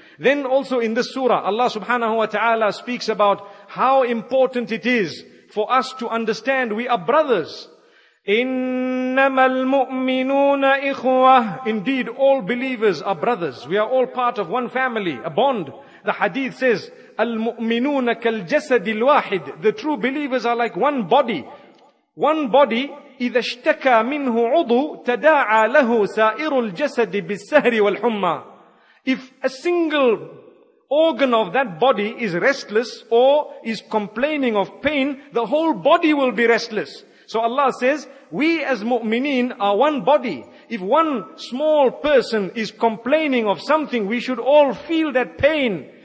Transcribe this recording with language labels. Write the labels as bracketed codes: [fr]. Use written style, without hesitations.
[en] Then also in this surah, Allah subhanahu wa ta'ala speaks about how important it is for us to understand we are brothers. [ar] إِنَّمَا الْمُؤْمِنُونَ إِخْوَةٌ. [en] Indeed, all believers are brothers. We are all part of one family, a bond. The hadith says, [ar] الْمُؤْمِنُونَ كَالْجَسَدِ الْوَاحِدِ. [en] The true believers are like one body. One body, [ar] إِذَا اشْتَكَى مِنْهُ عُضُوْ تَدَاعَى لَهُ سَائِرُ الْجَسَدِ بِالسَّهْرِ وَالْحُمَّى. [en] If a single organ of that body is restless or is complaining of pain, the whole body will be restless. So Allah says, we as mu'mineen are one body. If one small person is complaining of something, we should all feel that pain.